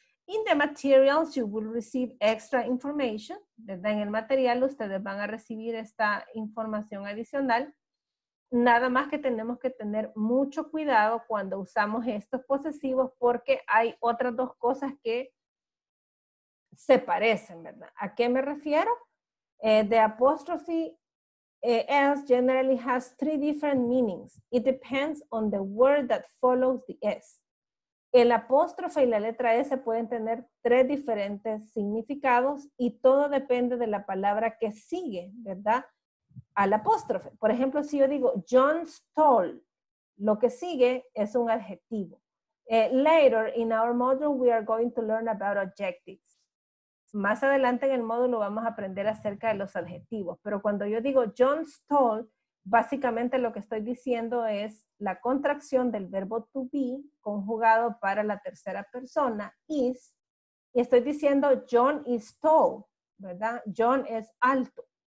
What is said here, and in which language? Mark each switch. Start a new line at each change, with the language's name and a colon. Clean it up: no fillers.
English: In the materials, you will receive extra information,
Spanish: ¿verdad? En el material, ustedes van a recibir esta información adicional. Nada más que tenemos que tener mucho cuidado cuando usamos estos posesivos porque hay otras dos cosas que se parecen, ¿verdad? ¿A qué me refiero?
English: The apostrophe S generally has three different meanings. It depends on the word that follows the S.
Spanish: el apóstrofe y la letra S pueden tener tres diferentes significados y todo depende de la palabra que sigue, ¿verdad? Al apóstrofe. Por ejemplo, si yo digo John stole, lo que sigue es un adjetivo.
English: Later in our module we are going to learn about adjectives.
Spanish: Más adelante en el módulo vamos a aprender acerca de los adjetivos. Pero cuando yo digo John stole, básicamente lo que estoy diciendo es la contracción del verbo to be conjugado para la tercera persona, is. Y estoy diciendo
English: John is tall,
Spanish: ¿verdad? John es alto.